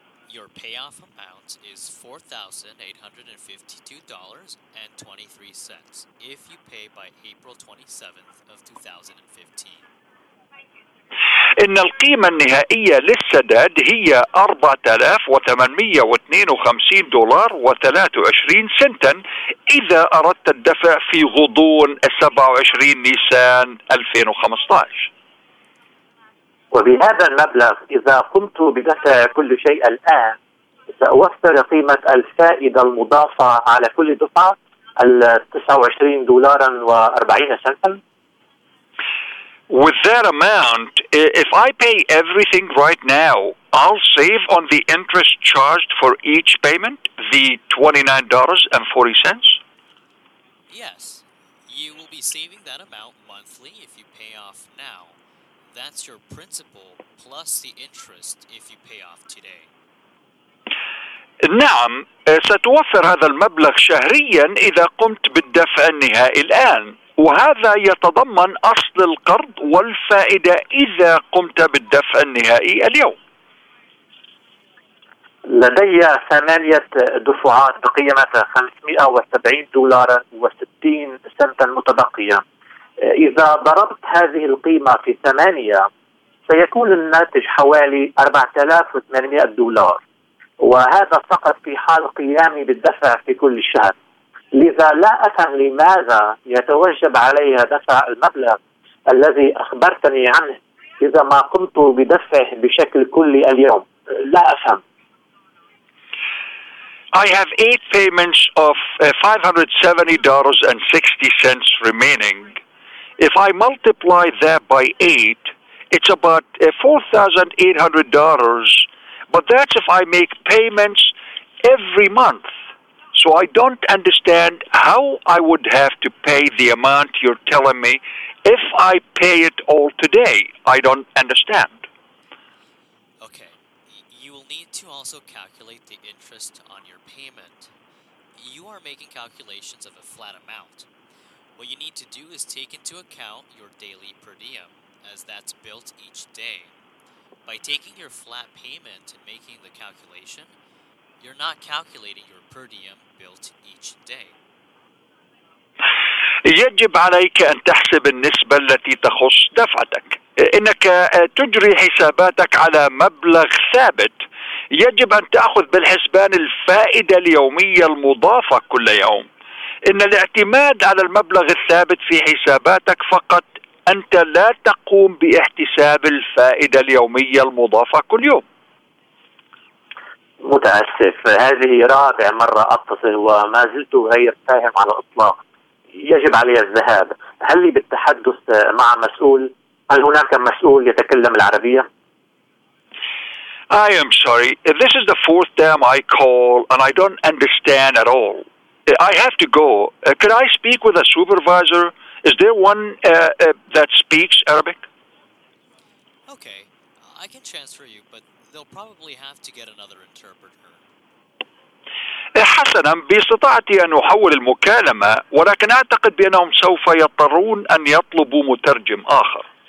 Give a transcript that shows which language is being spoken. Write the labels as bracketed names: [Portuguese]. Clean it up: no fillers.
[English] Your payoff amount is $4,852.23 if you pay by April 27th of 2015. [Arabic] إن القيمة النهائية للسداد هي 4,852 دولار و 23 سنتا إذا أردت الدفع في غضون 27 نيسان 2015. وبهذا المبلغ إذا قمت بدفع كل شيء الآن سأوفر قيمة الفائدة المضافة على كل دفعة الـ 29 دولارا و 40 سنتا. [English] With that amount, if I pay everything right now, I'll save on the interest charged for each payment, the $29.40. Yes, you will be saving that amount monthly if you pay off now. That's your principal plus the interest if you pay off today. [Arabic] نعم، ستوفر هذا المبلغ شهريا إذا قمت بالدفع النهائي الآن، وهذا يتضمن أصل القرض والفائدة إذا قمت بالدفع النهائي اليوم. لدي 8 دفعات بقيمتها $570 و60 سنتا متبقية. إذا ضربت هذه القيمة في 8 سيكون الناتج حوالي $4,800، وهذا فقط في حال قيامي بالدفع في كل شهر. لذا لا أفهم لماذا يتوجب علي دفع المبلغ الذي أخبرتني عنه إذا ما قمت بدفعه بشكل كلي اليوم. لا أفهم. [English] I have 8 payments of $570.60 remaining. If I multiply that by 8, it's about $4,800. But that's if I make payments every month. So I don't understand how I would have to pay the amount you're telling me if I pay it all today. I don't understand. Okay. You will need to also calculate the interest on your payment. You are making calculations of a flat amount. What you need to do is take into account your daily per diem, as that's built each day. By taking your flat payment and making the calculation, you're not calculating your per diem built each day. [Arabic] يجب عليك أن تحسب النسبة التي تخص دفعتك. إنك تجري حساباتك على مبلغ ثابت. يجب أن تأخذ بالحسبان الفائدة اليومية المضافة كل يوم. إن الاعتماد على المبلغ الثابت في حساباتك فقط، أنت لا تقوم باحتساب الفائدة اليومية المضافة كل يوم. متأسف، هذه رابع مرة أتصل وما زلت غير فاهم على الإطلاق. يجب علي الذهاب. هل لي بالتحدث مع مسؤول؟ هل هناك مسؤول يتكلم العربية؟ [English] I am sorry. This is the fourth time I call and I don't understand at all. I have to go. Could I speak with a supervisor? Is there one that speaks Arabic? Okay, I can transfer you, but they'll probably have to get another interpreter. [Arabic] حسنا، باستطاعتي أن أحول المكالمة، ولكن أعتقد بأنهم سوف يضطرون أن يطلبوا مترجم آخر.